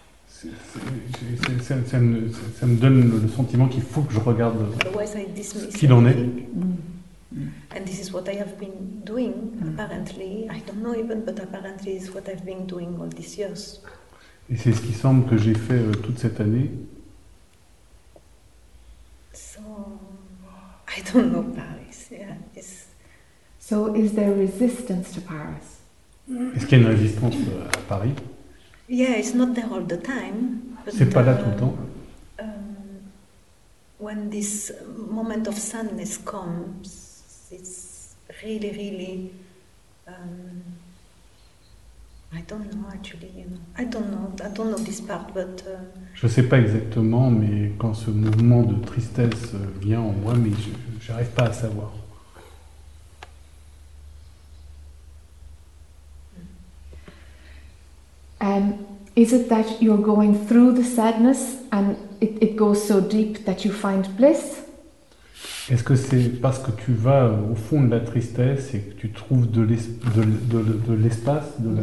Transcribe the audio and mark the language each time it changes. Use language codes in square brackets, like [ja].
[fr] Ça me donne le sentiment qu'il faut que je regarde ce qu'il en est. [en] And this is what I have been doing, apparently. I don't know even, but apparently it's what I've been doing all these years. [fr] Et c'est ce qui semble que j'ai fait toute cette année. [en] So, I don't know Paris. Yeah, so, is there resistance to Paris? [fr] Est-ce qu'il y a une résistance à Paris? [en] Yeah, it's not there all the time. [fr] C'est pas là tout le temps. [en] When this moment of sadness comes, it's really, really. I don't know actually. You know, I don't know. I don't know this part, but. [fr] Je sais pas exactement, mais quand ce mouvement de tristesse vient en moi, mais j'arrive pas à savoir. [en] Is it that you're going through the sadness and it goes so deep that you find bliss? [fr] Est-ce que c'est parce que tu vas au fond de la tristesse et que tu trouves de l'espace, de la